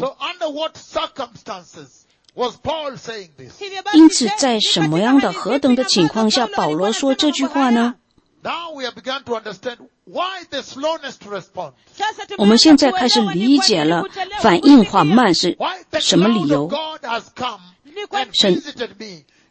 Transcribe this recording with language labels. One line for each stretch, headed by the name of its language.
English: So under what circumstances was Paul saying this?
Chinese: 因此在什么样的何等的情况下， 保罗说这句话呢？
English: Now we have begun to understand why the slowness to respond.
Chinese: 我们现在开始理解了， 反应缓慢是什么理由？
English: Why the Lord God has come and visited me.